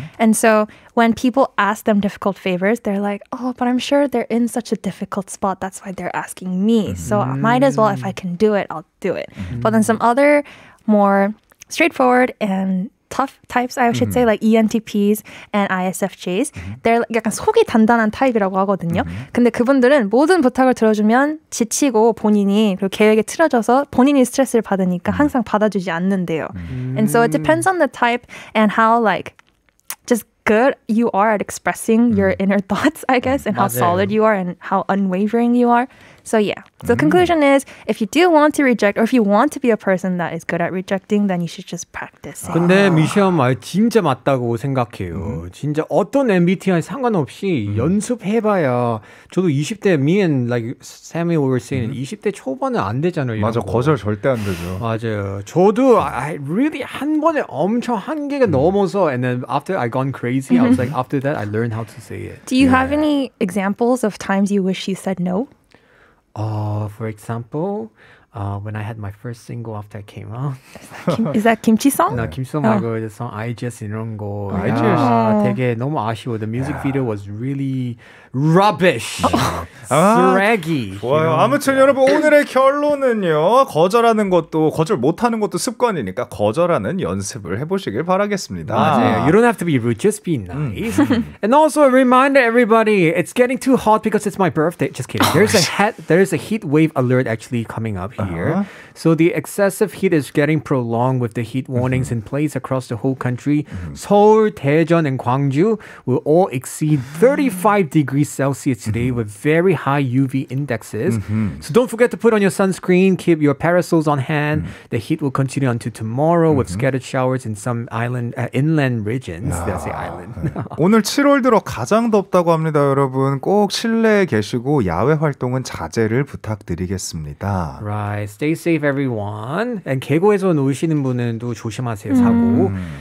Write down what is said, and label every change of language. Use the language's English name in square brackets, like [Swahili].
[English] And so when people ask them difficult favors, they're like, oh, but I'm sure they're in such a difficult spot. That's why they're asking me. So I might as well, if I can do it, I'll do it. But then some other more straightforward and tough types, I should say, like ENTPs and ISFJs. [Korean] They're 약간 속이 단단한 타입이라고 하거든요. 근데 그분들은 모든 부탁을 들어주면 지치고 본인이 그리고 계획에 틀어져서 본인이 스트레스를 받으니까 항상 받아주지 않는데요. [English] And so it depends on the type and how like just good you are at expressing your inner thoughts, I guess, and how solid you are and how unwavering you are. So yeah. So the conclusion is, if you do want to reject, or if you want to be a person that is good at rejecting, then you should just practice. [Korean] 근데 미셸 말 진짜 맞다고 생각해요. 진짜 어떤 MBTI 상관없이 연습해봐야. 저도 20대, [English] me and like Sammy were saying, [Korean] 20대 초반은 안 되잖아요. 맞아, 거. 거절 절대 안 되죠. 맞아요. [English] 저도 I really [Korean] 한 번에 엄청 한계가 넘어서, [English] and then after I gone crazy, I was like, after that, I learned how to say it. Do you have any examples of times you wish you said no? For example, when I had my first single after I came out. Is that Kimchi song? No, Kimchi song 말고 the song IGS 이런 거. IGS. Yeah. [Korean] 되게 너무 아쉬워. [English] The music video was really rubbish. Draggy. [Korean] 좋아요. 아무튼 여러분 오늘의 결론은요. 거절하는 것도 거절 못하는 것도 습관이니까 거절하는 연습을 해보시길 바라겠습니다. [English] 맞아요. You don't have to be rude. Just be nice. And also a reminder everybody. It's getting too hot because it's my birthday. Just kidding. There's a heat wave alert actually coming up. Here. So the excessive heat is getting prolonged with the heat warnings in place across the whole country. Seoul, Daejeon, and Gwangju will all exceed 35 degrees Celsius today with very high UV indexes. So don't forget to put on your sunscreen, keep your parasols on hand. The heat will continue until tomorrow with scattered showers in some island inland regions. Yeah. That's the island. [Korean] 오늘 7월 들어 가장 덥다고 합니다, 여러분. 꼭 실내에 계시고 야외 활동은 자제를 부탁드리겠습니다. [English] Right. Stay safe, everyone. [Korean] And 계곡에서 놓으시는 분은 또 조심하세요, 사고.